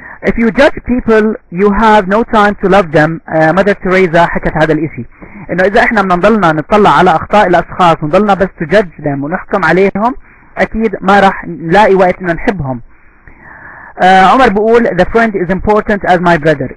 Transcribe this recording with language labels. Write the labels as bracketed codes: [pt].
[en] if you judge people you have no time to love them. [ar] مدر تريزا حكت هذا الاشي، انه اذا احنا بنضلنا نطلع على اخطاء الاشخاص ونضلنا بس [en] to judge them [ar] ونحكم عليهم اكيد ما راح نلاقي وقت ان نحبهم. [en] عمر [ar] بقول [en] the friend is important as my brother.